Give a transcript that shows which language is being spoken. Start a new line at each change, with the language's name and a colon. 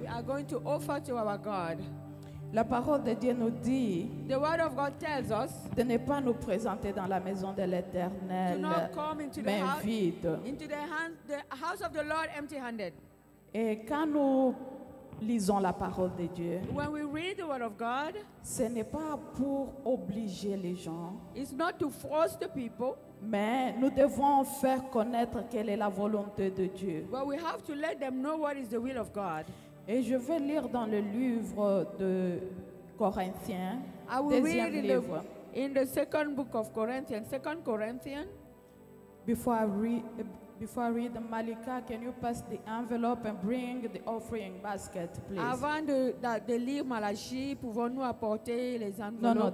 English: We are going to offer to our God.
French: La parole de Dieu nous dit
English: the word of God tells us,
French: de ne pas nous présenter dans la maison de l'Éternel, mais vide. Et quand nous lisons la parole de Dieu,
English: when we read the word of God,
French: ce n'est pas pour obliger les gens.
English: It's not to force the people.
French: Mais nous devons faire connaître quelle est la volonté de Dieu.
English: But we have to let them know what is the will of God.
French: Et je vais lire dans le livre de Corinthiens,
English: In the second book of Corinthians, second Corinthians. Before I read, Malika, can you pass the envelope and bring the offering basket, please?
French: Avant de lire Malachie, pouvons-nous apporter les enveloppes?